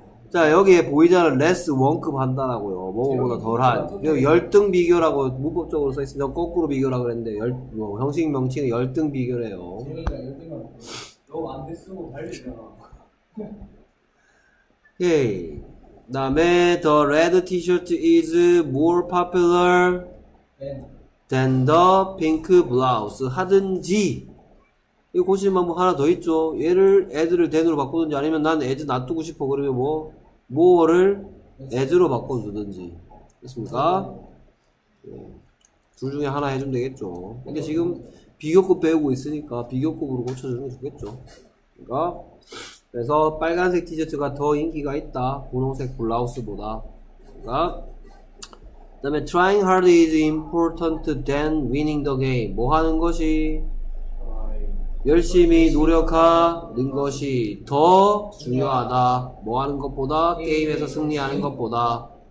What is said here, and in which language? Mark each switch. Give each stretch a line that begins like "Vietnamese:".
Korean: 자, 여기에 보이자는 less 원급 한다라고요. 뭐보다 덜한. 열등 비교라고 문법적으로 써있으니까 거꾸로 비교라고 그랬는데, 뭐 형식 명칭은 열등 비교래요. 너무 안 됐으면 달리잖아. 예. 다음에,
English: the red t-shirt is more popular than the pink blouse.
Korean: 하든지. 이 고칠 방법 하나 더 있죠. 얘를 애들을 댄으로 바꾸든지 아니면 난 애들 놔두고 싶어. 그러면 뭐. 뭐를 as로 바꿔주든지. 됐습니까? 둘 중에 하나 해주면 되겠죠. 근데 지금 비교급 배우고 있으니까 비교급으로 고쳐주는 게 좋겠죠. 그러니까 그래서 빨간색 티셔츠가 더 인기가 있다. 분홍색 블라우스보다. 그러니까 그다음에
English: trying hard is important than winning the game.
Korean: 뭐 하는 것이 열심히 노력하는 것이 더 중요하다. 뭐 하는 것보다 게임에서 승리하는 것보다.